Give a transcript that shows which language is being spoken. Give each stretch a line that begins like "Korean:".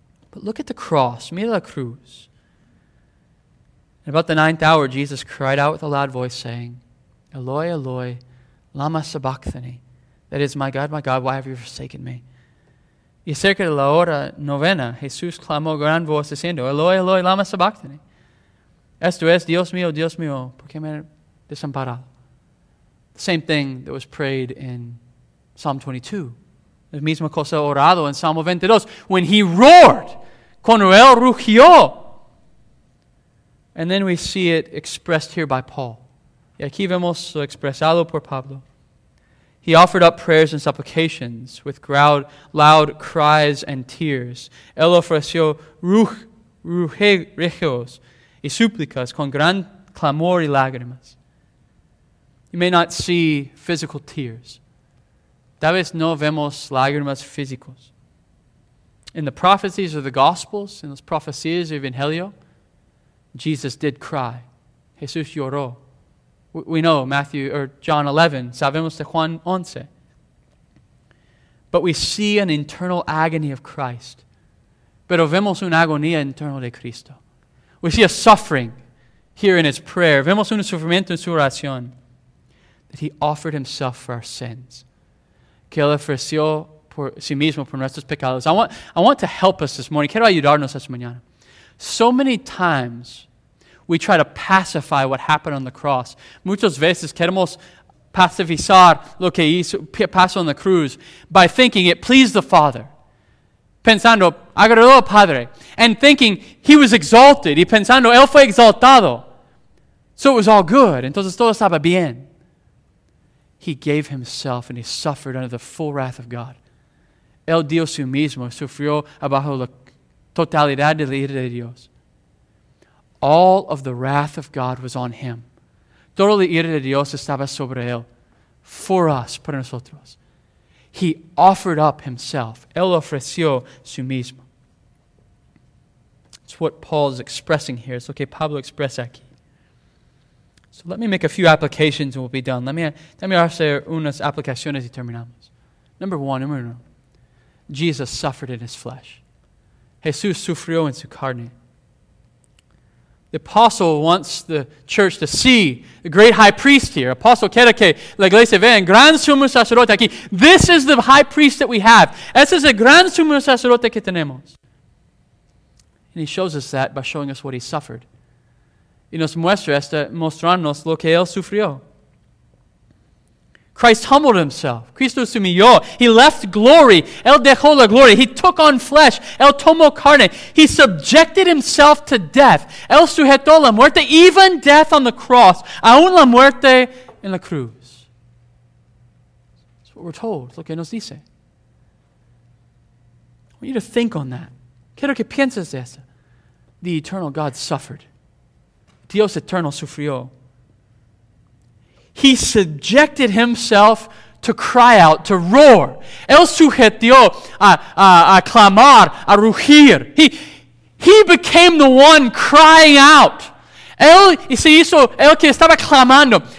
English: But look at the cross.
Spanish: Mira la cruz.
English: In about the ninth hour, Jesus cried out with a loud voice saying, Eloi, Eloi, lama sabachthani. That is, my God, why have you forsaken me?
Spanish: Y cerca de la hora novena, Jesús clamó gran voz diciendo, Eloi, Eloi, lama sabachthani. Esto es, Dios mío, ¿por qué me desamparado?
English: The same thing that was prayed in Psalm 22.
Spanish: La misma cosa orado en Salmo 22.
English: When he roared,
Spanish: cuando él rugió.
English: And then we see it expressed here by Paul.
Spanish: Y aquí vemos lo expresado por Pablo.
English: He offered up prayers and supplications with loud cries and tears.
Spanish: Él ofreció rugidos y súplicas con gran clamor y lágrimas.
English: You may not see physical tears.
Spanish: Tal vez no vemos lágrimas físicas.
English: In the prophecies of the Gospels, in those prophecies of Evangelio, Jesus did cry.
Spanish: Jesús lloró.
English: We know Matthew or John 11.
Spanish: Sabemos de Juan 11.
English: But we see an internal agony of Christ.
Spanish: Pero vemos una agonía interna de Cristo.
English: We see a suffering here in his prayer.
Spanish: Vemos un sufrimiento en su oración.
English: That he offered himself for our sins.
Spanish: Que él ofreció por sí mismo por nuestros pecados.
English: I want to help us this morning.
Spanish: Quiero ayudarnos esta mañana.
English: So many times we try to pacify what happened on the cross.
Spanish: Muchas veces queremos pacificar lo que hizo, pasó en la cruz
English: by thinking it pleased the Father.
Spanish: Pensando, agradó al Padre.
English: And thinking he was exalted.
Spanish: Y pensando, él fue exaltado.
English: So it was all good.
Spanish: Entonces todo estaba bien.
English: He gave himself and he suffered under the full wrath of God.
Spanish: Él dio su mismo, sufrió bajo la totalidad de la ira de Dios.
English: All of the wrath of God was on him.
Spanish: Toda la ira de Dios estaba sobre él.
English: For us,
Spanish: para nosotros.
English: He offered up himself.
Spanish: Él ofreció su mismo.
English: It's what Paul is expressing here.
Spanish: It's lo que Pablo expresa aquí.
English: So let me make a few applications and we'll be done. Let me
Spanish: hacer unas aplicaciones y terminamos.
English: Number one. Jesus suffered in his flesh.
Spanish: Jesús sufrió en su carne.
English: The apostle wants the church to see the great high priest here.
Spanish: Apostle quiere que la iglesia vea en gran sumo sacerdote aquí.
English: This is the high priest that we have.
Spanish: Este es el gran sumo sacerdote que tenemos.
English: And he shows us that by showing us what he suffered.
Spanish: Y nos muestra esta mostrarnos lo que él sufrió.
English: Christ humbled himself.
Spanish: Cristo se humilló.
English: He left glory.
Spanish: Él dejó la gloria.
English: He took on flesh.
Spanish: Él tomó carne.
English: He subjected himself to death.
Spanish: Él sujetó la muerte,
English: even death on the cross.
Spanish: Aún la muerte en la cruz.
English: That's what we're told.
Spanish: Lo que nos dice.
English: I want you to think on that.
Spanish: Quiero que pienses de eso.
English: The eternal God suffered.
Spanish: Dios eterno sufrió.
English: He subjected himself to cry out, to roar.
Spanish: Él sujetó a clamar, a rugir.
English: He became the one crying out.
Spanish: Él se hizo el que estaba clamando.